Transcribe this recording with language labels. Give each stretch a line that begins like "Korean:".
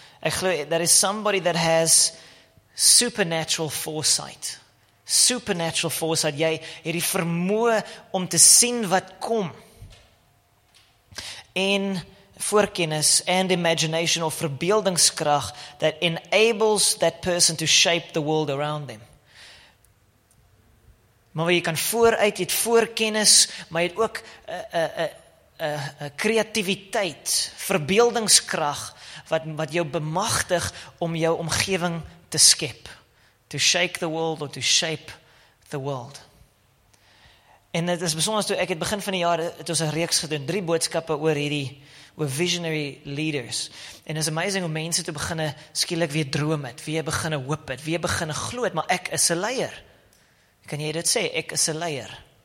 Afrikaans: Ek glo,
English: that is somebody that has supernatural foresight. Supernatural foresight.
Afrikaans: Jy het die vermoë om te sien wat kom.
English: En voorkennis and imagination of verbeeldingskrag that enables that person to shape the world around them.
Afrikaans: Maar jy kan vooruit, jy het voorkennis, maar jy het ook kreatiwiteit, verbeeldingskrag wat jou bemagtig om jou omgewing te skep.
English: To shake the world or to shape the world.
Afrikaans: En dit is besonders toe ek het begin van die jaar, het ons 'n reeks gedoen, 3 boodskappe oor
English: visionary leaders.
Afrikaans: En
English: it's amazing
Afrikaans: hoe mense toe beginne skielik weer droom het, weer beginne hoop het, weer beginne glo het, maar ek is 'n leier. Kan jy dit sê? Ek is 'n leier.